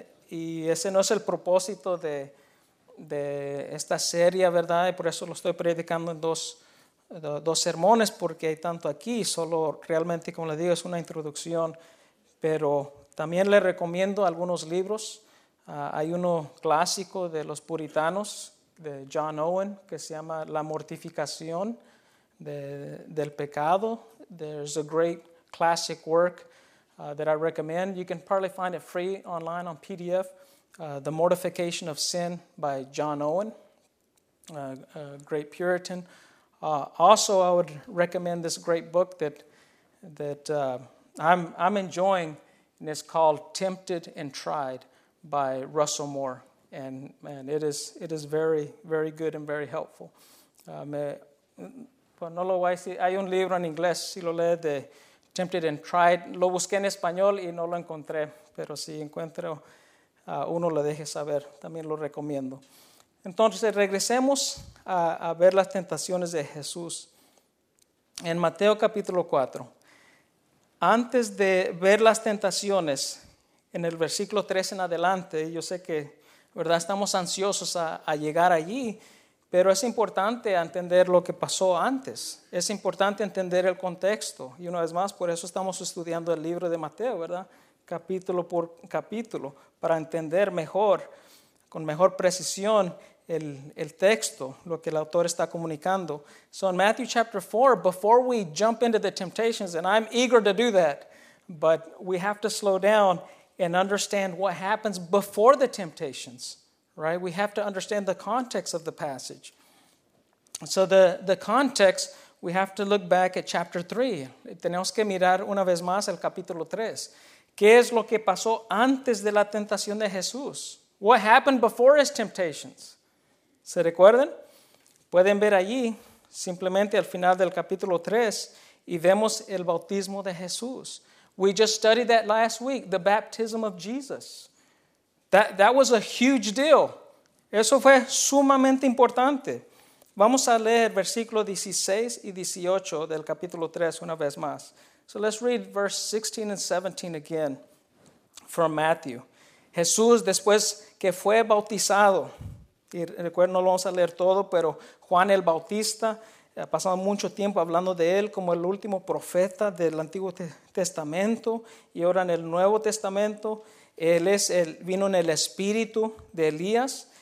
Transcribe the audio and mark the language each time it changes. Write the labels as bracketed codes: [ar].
[es] Y ese no es el propósito de esta serie, ¿verdad? Y por eso lo estoy predicando en dos sermones, porque hay tanto aquí, solo realmente, como le digo, es una introducción. Pero también le recomiendo algunos libros. Hay uno clásico de los puritanos, de John Owen, que se llama La mortificación del pecado. [en] There's a great classic work that I recommend. You can probably find it free online on PDF. The Mortification of Sin by John Owen, a great Puritan. Also, I would recommend this great book that I'm enjoying, and it's called Tempted and Tried by Russell Moore. And man, it is very, very good and very helpful. [es] No lo voy a decir. Hay un libro en inglés, si lo lees, de Tempted and Tried. Lo busqué en español y no lo encontré. Pero si encuentro uno, lo deje saber. También lo recomiendo. Entonces, regresemos a ver las tentaciones de Jesús. En Mateo capítulo 4. antes de ver las tentaciones, en el versículo 3 en adelante, yo sé que, ¿verdad?, estamos ansiosos a llegar allí, pero es importante entender lo que pasó antes. Es importante entender el contexto. Y una vez más, por eso estamos estudiando el libro de Mateo, ¿verdad?, capítulo por capítulo, para entender mejor, con mejor precisión, el texto, lo que el autor está comunicando. [en] So in Matthew chapter 4, before we jump into the temptations, and I'm eager to do that, but we have to slow down and understand what happens before the temptations, right? We have to understand the context of the passage. So the context, we have to look back at chapter 3. [es] Tenemos que mirar una vez más el capítulo 3. ¿Qué es lo que pasó antes de la tentación de Jesús? [en] What happened before his temptations? [es] ¿Se recuerdan? Pueden ver allí, simplemente al final del capítulo 3, y vemos el bautismo de Jesús. [en] We just studied that last week, the baptism of Jesus. That was a huge deal. [es] Eso fue sumamente importante. Vamos a leer versículo 16 y 18 del capítulo 3 una vez más. [en] So let's read verse 16 and 17 again from Matthew. [es] Jesús, después que fue bautizado, y recuerden, no lo vamos a leer todo, pero Juan el Bautista, ha pasado mucho tiempo hablando de él como el último profeta del Antiguo Testamento, y ahora en el Nuevo Testamento, él es el, vino en el espíritu de Elías.